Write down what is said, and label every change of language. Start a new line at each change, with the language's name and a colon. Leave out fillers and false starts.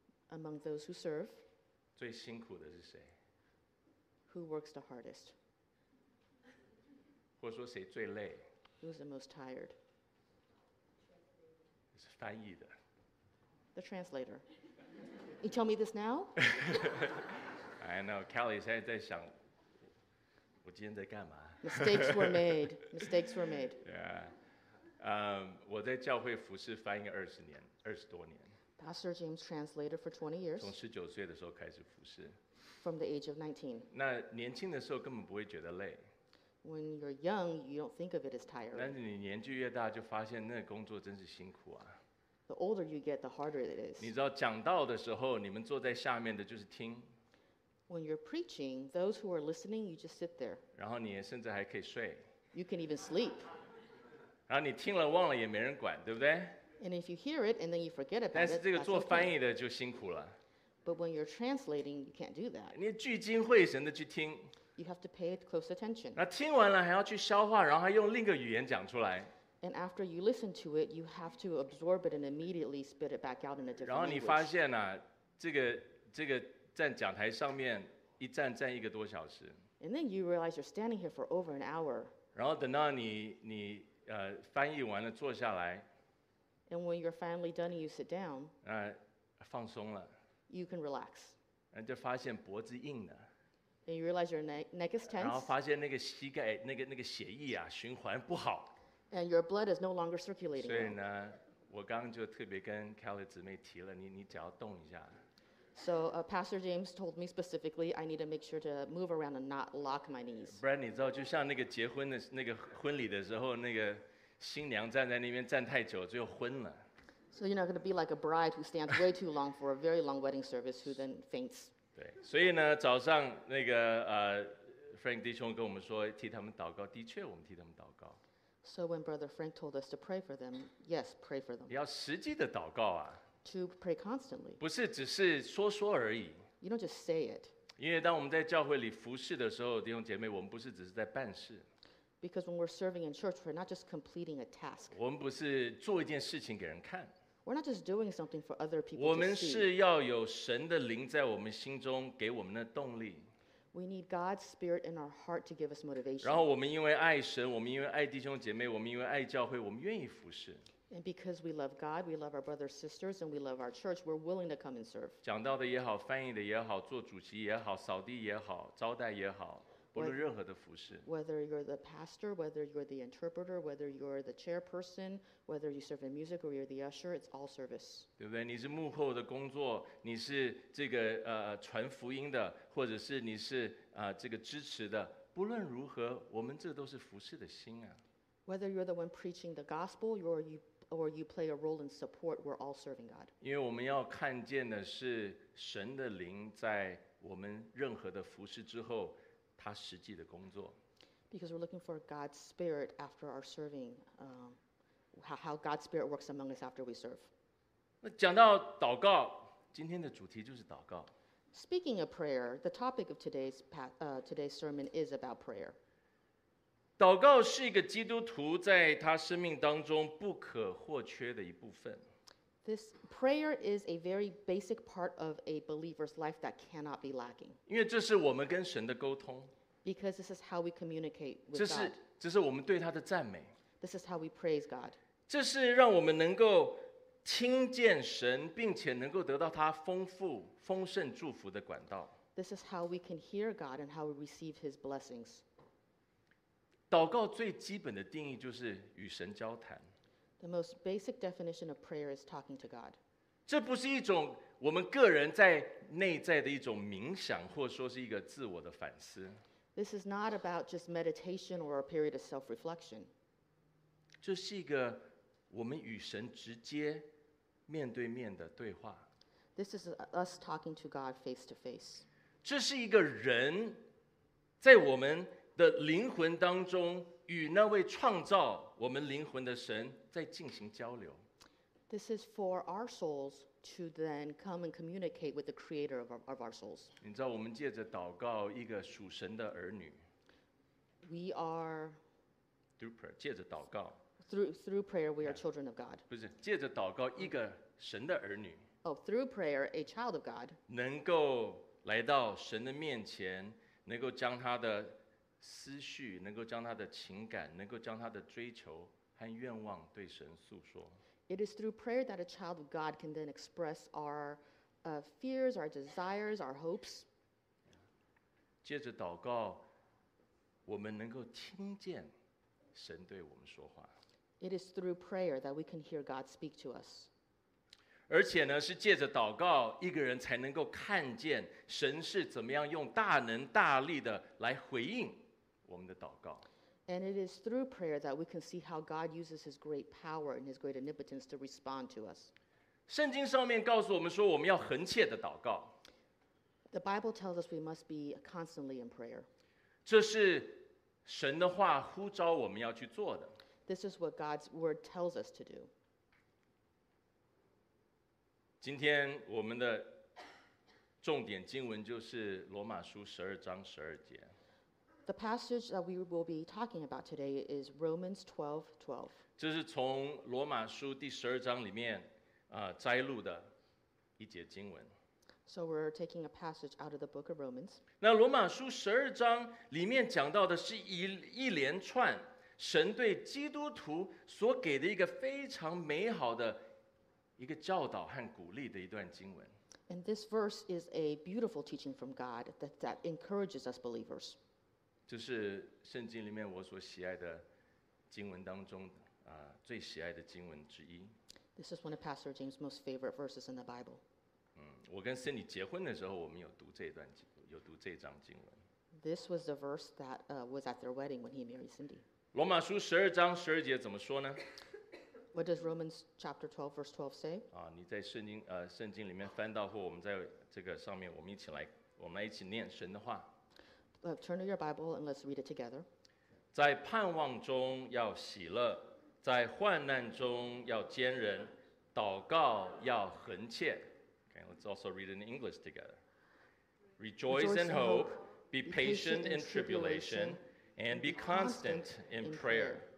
English: ，among those who serve，
Chinese: 最辛苦的是谁
English: ？Who works the hardest？
Chinese: 或者说谁最累
English: ？Who's the most tired？
Chinese: 是翻译的
English: ，the translator。 You tell me this now？ I know, Kelly
Chinese: 现在在想。我今天在干嘛
English: ？Mistakes were made. Mistakes were made.
Chinese: Yeah, 我在教会服侍翻译二十年，二十多年。
English: Pastor James translated for 20 years.
Chinese: 从十九岁的时候开始服侍。
English: From the age of 19.
Chinese: 那年轻的时候根本不会觉得累。
English: When you're young, you don't think of it as tiring.
Chinese: 但是你年纪越大，就发现那个工作真是辛苦啊。
English: The older you get, the harder it is.
Chinese: 你知道讲道的时候，你们坐在下面的就是听。
English: When you're preaching, those who are listening, you just sit there.
Chinese: 然后你甚至还可以睡。
English: You can even sleep.
Chinese: 然后你听了忘了也没人管，对不对
English: ？And if you hear it and then you forget about it, that's okay.
Chinese: 但是这个做翻译的就辛苦了。
English: But when you're translating, you can't do that.
Chinese: 你聚精会神的去听。
English: You have to pay close attention.
Chinese: 那听完了还要去消化，然后还用另一个语言讲出来。
English: And after you listen to it, you have to absorb it and immediately spit it back out in a different language.
Chinese: 然后你发现呢、啊，这个。站讲台上面一站站一个多小时
English: ，and then you realize you're standing here for over an hour。
Chinese: 然后等到你翻译完了坐下来
English: ，and when you're finally done, you sit down。
Chinese: 放松了
English: ，you can relax。
Chinese: 然后就发现脖子硬了
English: ，and you realize your neck is tense。
Chinese: 然后发现那个膝盖那个血液啊循环不好
English: ，and your blood is no longer circulating。
Chinese: 所以呢，我刚刚就特别跟 Kelly 姊妹提了，你只要动一下。
English: So, Pastor James told me specifically, I need to make sure to move around and not lock my knees.
Chinese: Brad, 你知道，就像那个结婚的那个婚礼的时候，那个新娘站在那边站太久，最后昏了。
English: So you're not going to be like a bride who stands way too long for a very long wedding service, who then faints.
Chinese: 对，所以呢，早上那个Frank 弟兄跟我们说，替他们祷告，的确，我们替他们祷告。
English: So when Brother Frank told us to pray for them, yes, pray for them.
Chinese: 要实际的祷告啊。
English: To pray constantly.
Chinese: 不是只是说说而已。
English: You don't just say it.
Chinese: 因为当我们在教会里服侍的时候，弟兄姐妹，我们不是只是在办事。
English: Because when we're serving in church, we're not just completing a task.
Chinese: 我们不是做一件事情给人看。
English: We're not just doing something for other people.
Chinese: 我们是要有神的灵在我们心中给我们的动力。
English: We need God's spirit in our heart to give us motivation.
Chinese: 然后我们因为爱神，我们因为爱弟兄姐妹，我们因为爱教会，我们愿意服侍。
English: And because we love God, we love our brothers and sisters, and we love our church, we're willing to come and serve.
Chinese: 讲道的也好，翻译的也好，做主席也好，扫地也好，招待也好，不论任何的服事。
English: Whether you're the pastor, whether you're the interpreter, whether you're the chairperson, whether you serve in music or you're the usher, it's all service.
Chinese: 对不对？你是幕后的工作，你是这个传福音的，或者是你是这个支持的，不论如何，我们这都是服事的心啊。
English: Whether you're the one preaching the gospel, or you play a role in support, we're all serving God.
Chinese: 因为我们要看见的是神的灵在我们任何的服事之后，他实际的工作。
English: Because we're looking for God's spirit after our serving, how God's spirit works among us after we serve.
Chinese: 那讲到祷告，今天的主题就是祷告。
English: Speaking of prayer, the topic of today's sermon is about prayer.
Chinese: 祷告是一个基督徒在他生命当中不可或缺的一部分。
English: This prayer is a very basic part of a believer's life that cannot be lacking.
Chinese: 因为这是我们跟神的沟通。
English: Because this is how we communicate with God.
Chinese: 这是我们对他的赞美。
English: This is how we praise God.
Chinese: 这是让我们能够听见神，并且能够得到他丰富、丰盛祝福的管道。
English: This is how we can hear God and how we receive His blessings.
Chinese: 祷告最基本的定义就是与神交谈。
English: The most basic definition of prayer is talking to God.
Chinese: 这不是一种我们个人在内在的一种冥想，或说是一个自我的反思。
English: This is not about just meditation or a period of self-reflection.
Chinese: 这是一个我们与神直接面对面的对话。
English: This is us talking to God face to face.
Chinese: 这是一个人在我们的灵魂当中与那位创造我们灵魂的神在进行交流。
English: This is for our souls to then come and communicate with the creator of our souls.
Chinese: 你知道我们借着祷告一个属神的儿女。
English: We are through prayer,
Chinese: 借着祷告。
English: Through prayer, we are children of God.
Chinese: 不是，借着祷告一个神的儿女。
English: Oh, through prayer, a child of God.
Chinese: 能够来到神的面前，能够将他的思绪，能够将他的情感，能够将他的追求和愿望对神诉说。
English: It is through prayer that a child of God can then express our fears, our desires, our hopes.
Chinese: 借着祷告，我们能够听见神对我们说话。
English: It is through prayer that we can hear God speak to us.
Chinese: 而且呢，是借着祷告，一个人才能够看见神是怎么样用大能大力的来回应我们的祷告。
English: And it is through prayer that we can see how God uses His great power and His great omnipotence to respond to us.
Chinese: 圣经上面告诉我们说，我们要恒切的祷告。
English: The Bible tells us we must be constantly in prayer.
Chinese: 这是神的话呼召我们要去做的。
English: This is what God's word tells us to do.
Chinese: 今天我们的重点经文就是罗马书十二章十二节。
English: The passage that we will be talking about today is Romans 12:12.
Chinese: 这是从罗马书第十二章里面摘录的一节经文。
English: So we're taking a passage out of the book of Romans.
Chinese: 那罗马书十二章里面讲到的是一连串神对基督徒所给的一个非常美好的一个教导和鼓励的一段经文。
English: And this verse is a beautiful teaching from God that encourages us believers.
Chinese: 这是圣经里面我所喜爱的经文当中最喜爱的经文之一。
English: This is one of Pastor James' most favorite verses in the Bible.
Chinese: 我跟Cindy结婚的时候，我们有读这段，有读这章经文。
English: This was the verse that was at their wedding when he married Cindy.
Chinese: 罗马书十二章十二节怎么说呢？
English: What does Romans chapter 12 verse 12 say?
Chinese: 你在圣经里面翻到，或我们在这个上面，我们一起念神的话。
English: Turn to your Bible and let's read it together.
Chinese: 在盼望中要喜乐，在患难中要坚忍，祷告要恒切。
English: Okay, let's also read it in English together. Rejoice in hope, be patient in tribulation, and be constant in prayer.